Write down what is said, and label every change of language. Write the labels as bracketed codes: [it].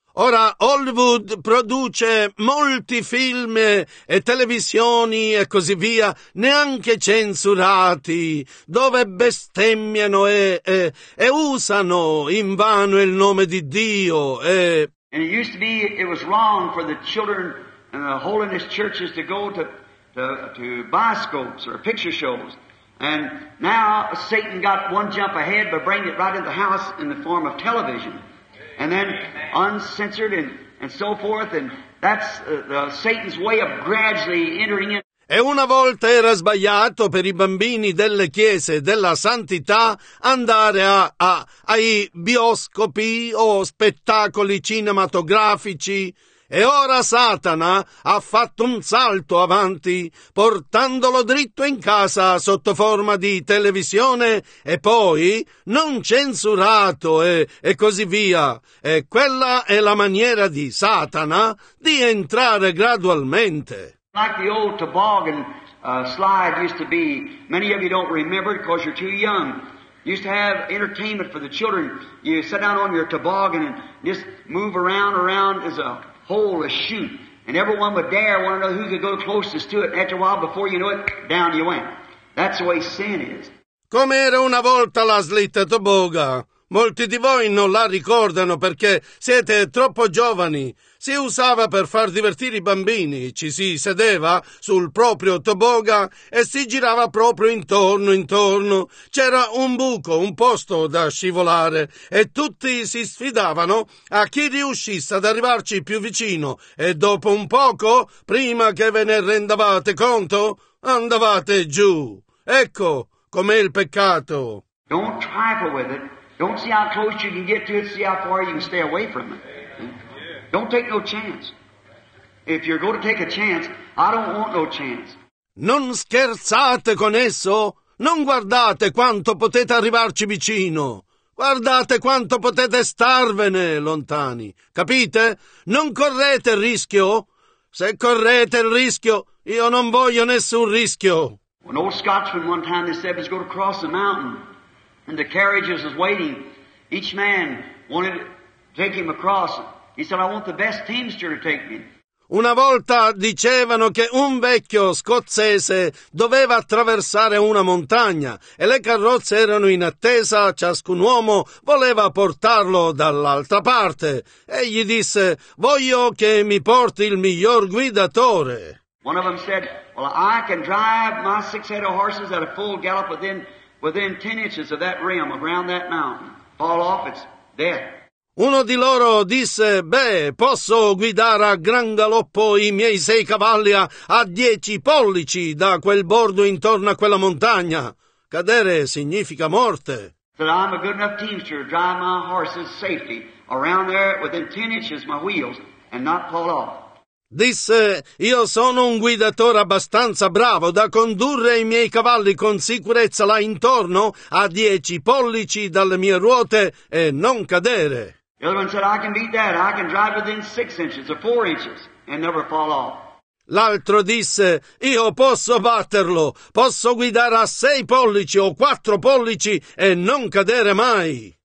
[it] Ora Hollywood produce molti film e televisioni e così via, neanche censurati, dove bestemmiano e usano invano il nome di Dio. [en] And it used to be it was wrong for the children and the holiness churches to go to bioscopes or picture shows. And now Satan got one jump ahead by bringing it right into the house in the form of television. And then uncensored and so forth. And that's Satan's way of gradually entering in. [it] E una volta era sbagliato per i bambini delle chiese della santità andare ai bioscopi o spettacoli cinematografici. E ora Satana ha fatto un salto avanti, portandolo dritto in casa sotto forma di televisione e poi non censurato e così via. E quella è la maniera di Satana di entrare gradualmente. [en] Like the old toboggan slide used to be, many of you don't remember it because you're too young. Used to have entertainment for the children. You sit down on your toboggan and just move around as a hole, a chute, and everyone would dare one another who could go closest to it. After a while, before you know it, down you went. That's the way sin is. [it] Come era una volta la slitta toboga? Molti di voi non la ricordano perché siete troppo giovani. Si usava per far divertire i bambini, ci si sedeva sul proprio toboga e si girava proprio intorno. C'era un buco, un posto da scivolare e tutti si sfidavano a chi riuscisse ad arrivarci più vicino e dopo un poco, prima che ve ne rendavate conto, andavate giù. Ecco com'è il peccato. [en] Don't trifle with it. Don't see how close you can get to it, see how far you can stay away from it. Don't take no chance. If you're going to take a chance, I don't want no chance. [it] Non scherzate con esso. Non guardate quanto potete arrivarci vicino. Guardate quanto potete starvene lontani. Capite? Non correte il rischio. Se correte il rischio, io non voglio nessun rischio. [en] An old Scotsman one time they said he was going to cross the mountain. And the carriages was waiting. Each man wanted to take him across. He said, I want the best teamster to take me. [it] Una volta dicevano che un vecchio scozzese doveva attraversare una montagna e le carrozze erano in attesa, ciascun uomo voleva portarlo dall'altra parte. Egli disse, voglio che mi porti il miglior guidatore. [en] One of them said, well, I can drive my six-headed horses at a full gallop within 10 inches of that rim, around that mountain. Fall off, it's death. [it] Uno di loro disse, beh, posso guidare a gran galoppo i miei 6 cavalli a 10 pollici da quel bordo intorno a quella montagna. Cadere significa morte. [en] But I'm a good enough teamster to drive my horses safely around there within 10 inches of my wheels and not fall off. [it] Disse, io sono un guidatore abbastanza bravo da condurre i miei cavalli con sicurezza là intorno a 10 pollici dalle mie ruote e non cadere. [en] The other one said, I can beat that, I can drive within 6 inches or 4 inches and never fall off. [it] L'altro disse, io posso batterlo, posso guidare a 6 pollici o 4 pollici e non cadere mai.